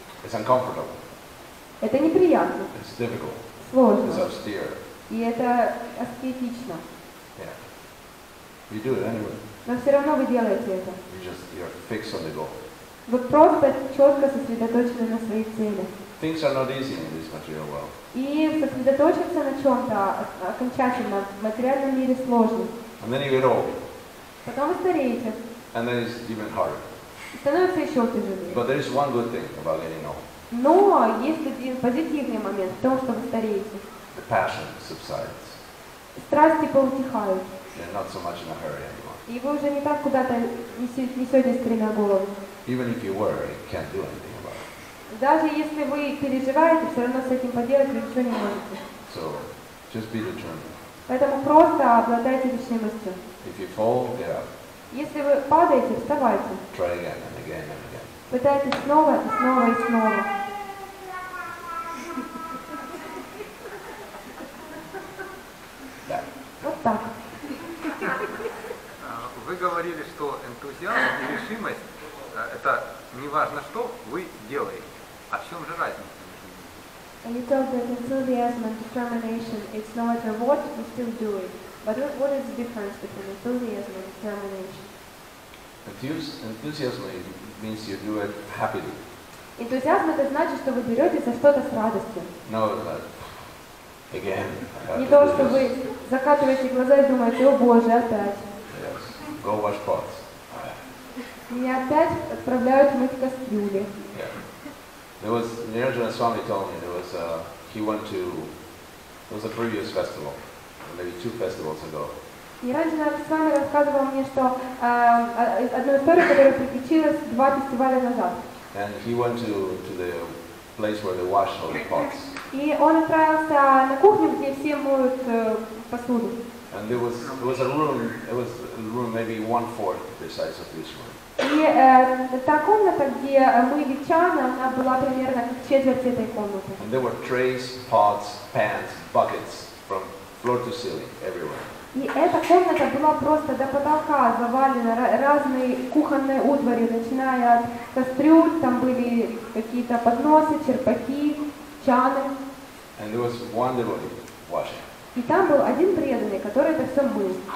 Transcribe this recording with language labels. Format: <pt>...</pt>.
<en>It's uncomfortable.</en> <ru>Это неприятно.</ru> <en>It's difficult.</en> <ru>Сложно.</ru> <en>It's austere.</en> <ru>И это аскетично.</ru> <en>Yeah. You do it anyway.</en> <ru>Но все равно вы делаете это.</ru> <en>You're fixed on the goal.</en> <ru>Вы просто четко сосредоточены на своей цели.</ru> <en>Things are not easy in this material world.</en> <ru>И сосредоточиться на чем-то окончательно в материальном мире сложно.</ru> <en>And then you get old.</en> <ru>Потом вы стареете.</ru> <en>And then it's even harder.</en> <ru>И становится еще тяжелее.</ru> <en>But there is one good thing about getting old.</en> <ru>Но есть один позитивный момент в том, что вы стареете.</ru> <en>The passion subsides.</en> <ru>Страсти поутихают.</ru> <en>You're not so much in a hurry anymore.</en> <ru>И вы уже не так куда-то несете стремя голову.</ru> <en>Even if you worry, you can't do anything about it.</en> <ru>Даже если вы переживаете, все равно с этим поделать вы ничего не можете.</ru> <en>So, just be determined.</en> <ru>Поэтому просто обладайте решимостью.</ru> <en>If you fall, get up.</en> <ru>Если вы падаете, вставайте.</ru> <en>Try again and again and again.</en> <ru>Пытайтесь снова и снова и снова. Вот так. Вы говорили, что энтузиазм и решимость. Это не важно, что вы делаете. А в чем же разница?</ru> <en>You talk about enthusiasm and determination. It's no matter what you still do it. But what is the difference between enthusiasm and determination? Enthusiasm means you do it happily.</en> <ru>Энтузиазм это значит, что вы беретесь за что-то с радостью.</ru> <en>No, again.</en> <ru>Не то, что вы закатываете глаза и думаете, о боже, опять.</ru> <en>Yes. Go wash pots.</en> <ru>Меня опять отправляют мыть кастрюли.</ru> <en>Yeah. There was Niranjana Swami told me there was it was a previous festival, maybe two festivals ago.</en> <ru>Niranjana Swami рассказывал мне, что одну историю, которая приключилась два фестиваля назад.</ru> <en>And he went to the place where they wash all the pots.</en> <ru>И он отправился на кухню, где все моют посуду.</ru> <en>And it was a room maybe 1/4 the size of this one.</en> <ru>И та комната, где мыли чан, она была примерно четверть этой комнаты.</ru> <en>And there were trays, pots, pans, buckets from floor to ceiling everywhere.</en> <ru>И эта комната была просто до потолка завалена разной кухонной утварью, начиная от кастрюль, там были какие-то подносы, черпаки, чаны.</ru> <en>And there was one devotee washing.</en> <ru>И там был один преданный, который это все был.</ru>